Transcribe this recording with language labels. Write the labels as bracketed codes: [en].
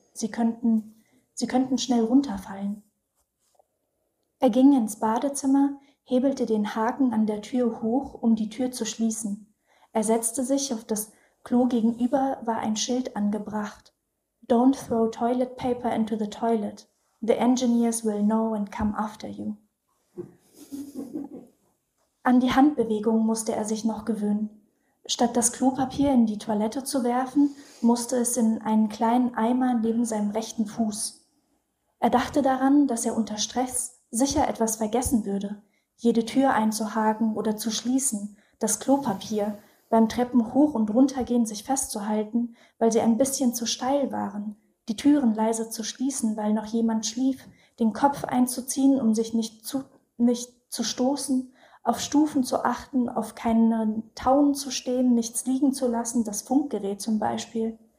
[de] Sie könnten schnell runterfallen. Er ging ins Badezimmer, hebelte den Haken an der Tür hoch, um die Tür zu schließen. Er setzte sich auf das Klo, gegenüber war ein Schild angebracht. [en] Don't throw toilet paper into the toilet. The engineers will know and come after you. [de] An die Handbewegung musste er sich noch gewöhnen. Statt das Klopapier in die Toilette zu werfen, musste es in einen kleinen Eimer neben seinem rechten Fuß. Er dachte daran, dass er unter Stress sicher etwas vergessen würde, jede Tür einzuhaken oder zu schließen, das Klopapier beim Treppen hoch und runtergehen sich festzuhalten, weil sie ein bisschen zu steil waren, die Türen leise zu schließen, weil noch jemand schlief, den Kopf einzuziehen, um sich nicht zu stoßen, auf Stufen zu achten, auf keinen Tauen zu stehen, nichts liegen zu lassen, das Funkgerät zum Beispiel.